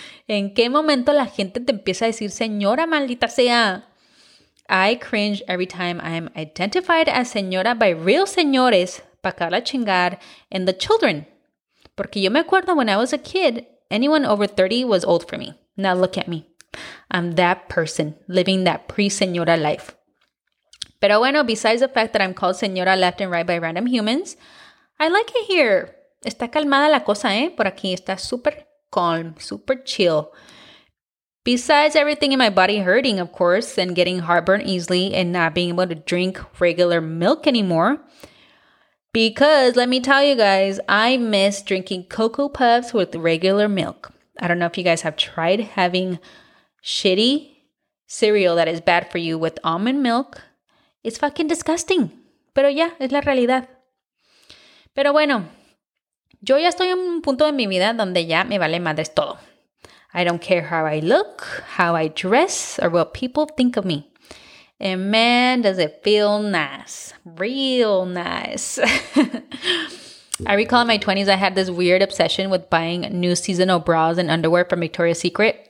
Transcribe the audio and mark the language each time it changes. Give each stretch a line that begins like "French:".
Spanish: ¿En qué momento la gente te empieza a decir, señora maldita sea?
English: I cringe every time I am identified as señora by real señores
Spanish: pa acabar a chingar
English: and the children.
Spanish: Porque yo me acuerdo
English: when I was a kid, anyone over 30 was old for me. Now look at me. I'm that person living that pre-señora life.
Spanish: Pero bueno,
English: besides the fact that I'm called señora left and right by random humans, I like it here.
Spanish: Está calmada la cosa, ¿eh? Por aquí está súper
English: calm, super chill. Besides everything in my body hurting, of course, and getting heartburn easily and not being able to drink regular milk anymore. Because, let me tell you guys, I miss drinking Cocoa Puffs with regular milk. I don't know if you guys have tried having shitty cereal that is bad for you with almond milk. It's fucking disgusting.
Spanish: Pero ya, es la realidad. Pero bueno, yo ya estoy en un punto de mi vida donde ya me vale madres todo.
English: I don't care how I look, how I dress, or what people think of me. And man, does it feel nice. Real nice. I recall in my 20s, I had this weird obsession with buying new seasonal bras and underwear from Victoria's Secret.